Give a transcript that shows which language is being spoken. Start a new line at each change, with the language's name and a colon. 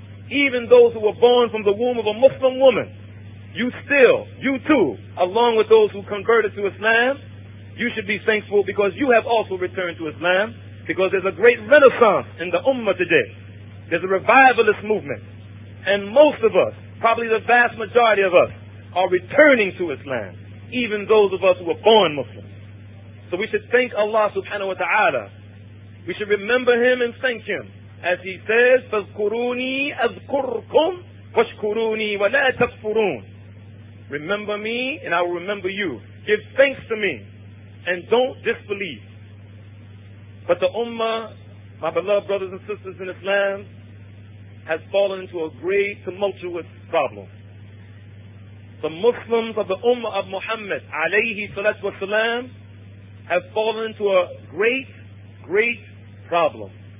English: even those who were born from the womb of a Muslim woman, you still, you too, along with those who converted to Islam, you should be thankful because you have also returned to Islam, because there's a great renaissance in the Ummah today. There's a revivalist movement. And most of us, probably the vast majority of us, are returning to Islam, even those of us who were born Muslim. So we should thank Allah subhanahu wa ta'ala. We should remember Him and thank Him. As He says,
Arabic: فَذْكُرُونِي أَذْكُرْكُمْ وَشْكُرُونِي وَلَا تَكْفُرُونَ.
English: Remember me and I will remember you. Give thanks to me and don't disbelieve. But the Ummah, my beloved brothers and sisters in Islam, has fallen into a great tumultuous problem. The Muslims of the Ummah of Muhammad alayhi salatu wa salam have fallen into a great, great problem.